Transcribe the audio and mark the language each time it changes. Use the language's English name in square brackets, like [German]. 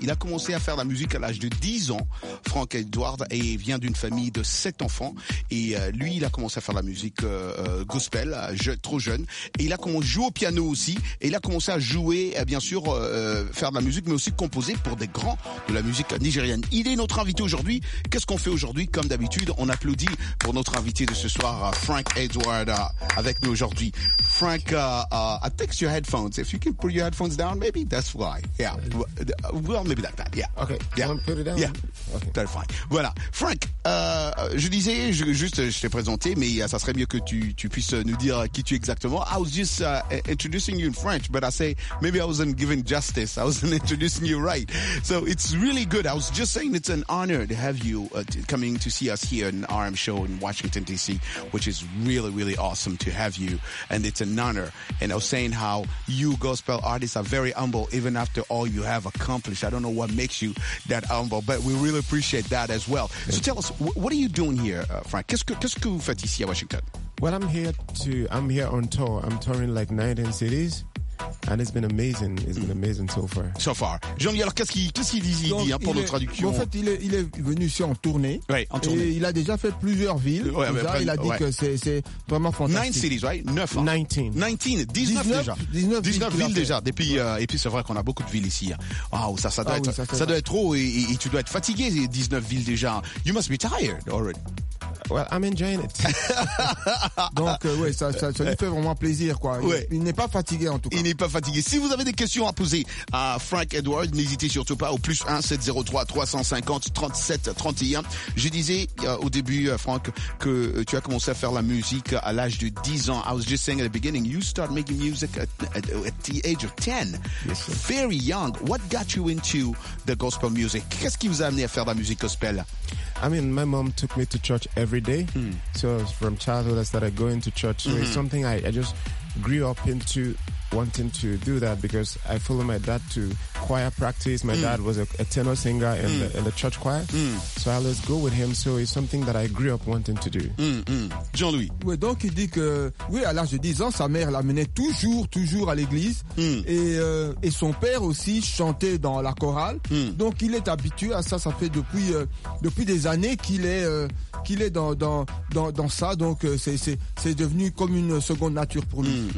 [French] Il a commencé à faire la musique à l'âge de 10 ans, Frank Edward, et il vient d'une famille de 7 enfants, et lui, il a commencé à faire la musique gospel, trop jeune, et il a commencé à jouer au piano aussi. Et il a commencé à jouer, bien sûr, faire de la musique, mais aussi composer pour des grands de la musique nigérienne. Il est notre invité aujourd'hui. Qu'est-ce qu'on fait aujourd'hui? Comme d'habitude, on applaudit pour notre invité de ce soir, Frank Edward, avec nous aujourd'hui. [English] Frank, I text your headphones. If you can put your headphones down, maybe that's why. Yeah, well, maybe like that. Yeah. Okay. Yeah. Can I put it down? Yeah. Okay. That's fine. Voilà, Frank. [French] Je disais, je t'ai présenté, mais ça serait mieux que tu puisses nous dire qui tu es exactement. [English] I was just introducing you in French, but I say maybe I wasn't giving justice. I wasn't introducing you right. So it's really good. I was just saying it's an honor to have you coming to see us here in RM Show in Washington, D.C., which is really, really awesome to have you. And it's an honor. And I was saying how you gospel artists are very humble even after all you have accomplished. I don't know what makes you that humble, but we really appreciate that as well. So tell us, what are you doing here, Frank? [French] Qu'est-ce que vous faites ici à Washington? [English] Well, I'm here on tour. I'm touring like 19 cities, and it's been amazing. It's been amazing so far. So far. [French] Jean-Louis, alors qu'est-ce qu'il dit hein, pour nos traductions? En fait, il est venu ici en tournée. Oui, en tournée. Et il a déjà fait plusieurs villes. Il a dit que c'est vraiment fantastique. [English] 9 cities, right? 9. Hein. [French] 19 villes déjà. Depuis, ouais. Et puis c'est vrai qu'on a beaucoup de villes ici. Waouh, ça doit être trop et tu dois être fatigué, 19 villes déjà. [English] You must be tired already. Well, I'm enjoying it. [French] Donc, ça lui fait vraiment plaisir, quoi. Ouais. Il n'est pas fatigué, en tout cas. Il n'est pas fatigué. Si vous avez des questions à poser à Frank Edward, n'hésitez surtout pas au plus 1-703-350-37-31. Je disais au début, Frank, que tu as commencé à faire la musique à l'âge de 10 ans. [English] I was just saying at the beginning, you start making music at the age of 10. Yes, sir. Very young. What got you into the gospel music? Qu'est-ce qui vous a amené à faire de la musique gospel? I mean, my mom took me to church every day. So from childhood, I started going to church. So it's something I just grew up into wanting to do that because I followed my dad to choir practice. My dad was a tenor singer in the church choir. So I always go with him. So it's something that I grew up wanting to do. [French] Jean-Louis. Oui, donc il dit que, oui, à l'âge de 10 ans, sa mère l'amenait toujours à l'église. Et son père aussi chantait dans la chorale. Donc il est habitué à ça. Ça fait depuis des années qu'il est dans ça, donc c'est devenu comme une seconde nature pour lui.